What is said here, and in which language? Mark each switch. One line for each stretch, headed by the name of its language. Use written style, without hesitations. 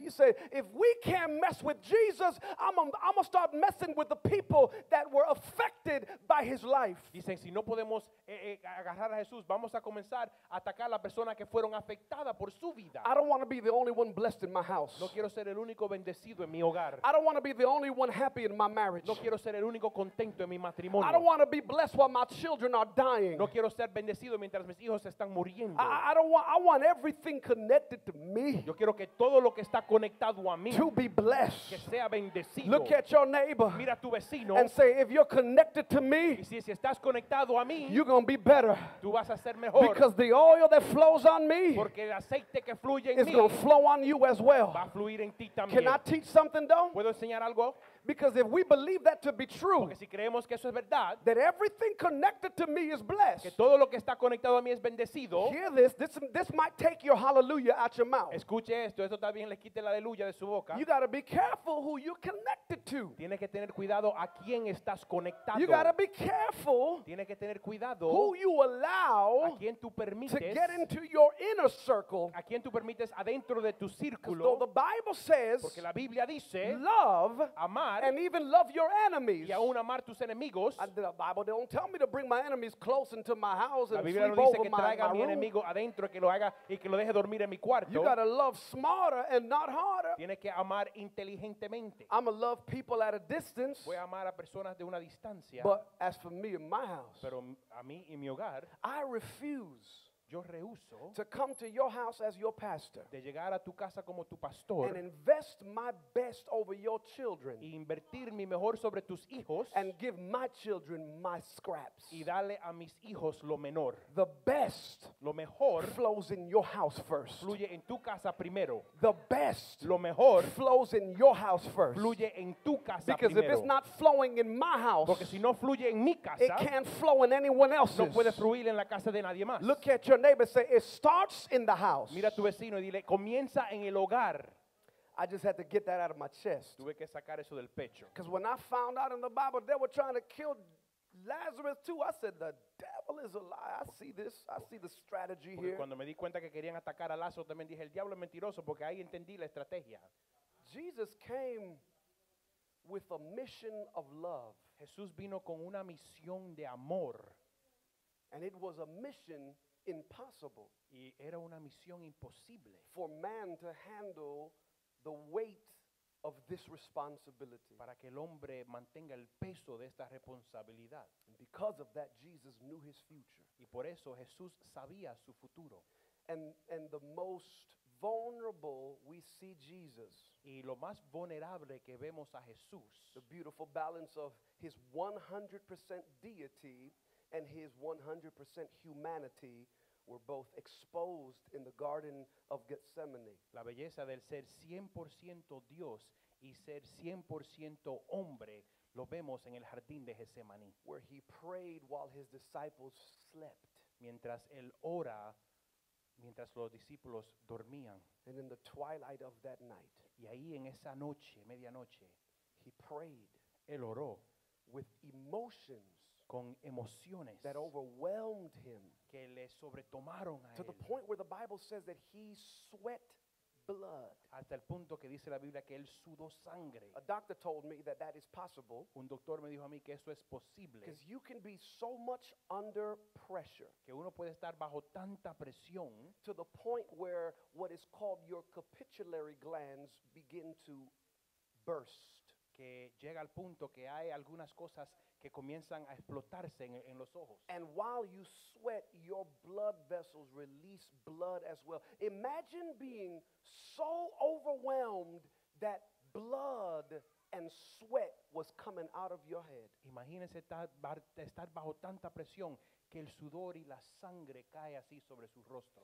English: You say, if we can't mess with Jesus, I'm going to start messing with the people that were affected by his life.
Spanish: Dicen, si no podemos agarrar a Jesús, vamos a comenzar a atacar a la persona que fueron afectada por su vida.
English: I don't want to be the only one blessed in my house.
Spanish: No quiero ser el único bendecido en mi hogar.
English: I don't want to be the only one happy in my marriage.
Spanish: No quiero ser el único contento en mi.
English: I don't want to be blessed while my children are dying.
Spanish: No quiero ser bendecido mientras mis hijos están muriendo.
English: I want everything connected to me.
Spanish: Yo quiero que todo lo que está conectado a mí
English: to be blessed.
Spanish: Que sea bendecido.
English: Look at your neighbor.
Spanish: Mira tu vecino.
English: And say, if you're connected to me,
Spanish: y si estás conectado a mí,
English: you're gonna be better.
Spanish: Tú vas a ser mejor.
English: Because the oil that flows on me,
Spanish: porque el aceite que fluye en
English: mí, is gonna flow on you as well.
Spanish: Va a fluir en ti también.
English: Can I teach something though?
Spanish: Puedo enseñar algo.
English: Because if we believe that to be true,
Spanish: porque si creemos que eso es verdad,
English: that everything connected to me is blessed,
Spanish: que todo lo que está conectado a mí es bendecido,
English: hear this might take your hallelujah out your mouth.
Spanish: Escuche esto, esto también le quite la aleluya de su boca.
English: You got to be careful who you're connected to.
Spanish: Tiene que tener cuidado a quién estás conectado.
English: You got to be careful.
Spanish: Tiene que tener cuidado
English: who you allow
Spanish: a quién tú permites
English: to get into your inner circle.
Spanish: A quién tú permites adentro de tu círculo.
English: Though the Bible says,
Spanish: porque la Biblia dice,
English: love,
Spanish: amar,
English: and even love your enemies.
Spanish: Y aún amar tus enemigos.
English: The Bible don't tell me to bring my enemies close into my house and sleep
Spanish: no
English: over
Spanish: dice que
English: my,
Spanish: traiga
English: my
Spanish: mi enemigo
English: room.
Spanish: Adentro que lo haga y que lo deje dormir en mi cuarto.
English: You gotta love smarter and not harder.
Spanish: Tienes que amar inteligentemente.
English: I'ma love people at a distance.
Spanish: Voy a amar a personas de una distancia.
English: But as for me in my house,
Spanish: pero a mí y mi hogar,
English: I refuse.
Spanish: Yo rehuso
English: to come to your house as your pastor,
Spanish: de llegar a tu casa como tu pastor,
English: and invest my best over your children,
Spanish: y invertir mi mejor sobre tus hijos,
English: and give my children my scraps,
Spanish: y darle a mis hijos lo menor.
English: The best,
Spanish: lo mejor,
English: flows in your house first,
Spanish: fluye en tu casa primero.
English: The best,
Spanish: lo mejor,
English: flows in your house first,
Spanish: fluye en tu casa
English: because
Spanish: primero.
English: If it's not flowing in my house,
Spanish: porque si no fluye en mi casa,
English: it can't flow in anyone else's.
Spanish: No puede fluir en la casa de nadie más.
English: Look at your neighbor, say it starts in the house.
Spanish: Mira tu vecino y dile comienza en el hogar.
English: I just had to get that out of my chest.
Spanish: Tuve que sacar eso del pecho.
English: Because when I found out in the Bible they were trying to kill Lazarus too, I said, the devil is a liar. I see this. I see the strategy
Spanish: porque
English: here.
Spanish: Cuando me di cuenta que querían atacar a Lázaro, también dije, el diablo es mentiroso, porque ahí entendí la estrategia.
English: Jesus came with a mission of love.
Spanish: Jesús vino con una misión de amor.
English: And it was a mission impossible.
Spanish: Y era una misión imposible.
English: For man to handle the weight of this responsibility.
Spanish: Para que el hombre mantenga el peso de esta responsabilidad.
English: And because of that, Jesus knew his future.
Spanish: Y por eso Jesús sabía su futuro.
English: And the most vulnerable we see Jesus.
Spanish: Y lo más vulnerable que vemos a Jesús.
English: The beautiful balance of his 100% deity and his 100% humanity were both exposed in the Garden of Gethsemane.
Spanish: La belleza del ser 100% Dios y ser 100% hombre lo vemos en el jardín de Getsemaní.
English: Where he prayed while his disciples slept.
Spanish: Mientras él ora, mientras los discípulos dormían.
English: And in the twilight of that night.
Spanish: Y ahí en esa noche, medianoche,
English: he prayed.
Spanish: Él oró
English: with emotions.
Spanish: Con emociones
English: that overwhelmed him
Spanish: que le sobretomaron a
English: to
Spanish: él.
English: The point where the Bible says that he sweat blood.
Spanish: Hasta el punto que dice la Biblia que él sudó sangre.
English: A doctor told me that that is possible.
Spanish: Un doctor me dijo a mí que eso es posible.
English: Because you can be so much under pressure.
Spanish: Que uno puede estar bajo tanta presión.
English: To the point where what is called your capillary glands begin to burst.
Spanish: Que llega al punto que hay algunas cosas que comienzan a explotarse en los ojos.
English: And while you sweat, your blood vessels release blood as well. Imagine being so overwhelmed that blood and sweat was coming out of your head.
Spanish: Imagínese estar bajo tanta presión que el sudor y la sangre cae así sobre su rostro.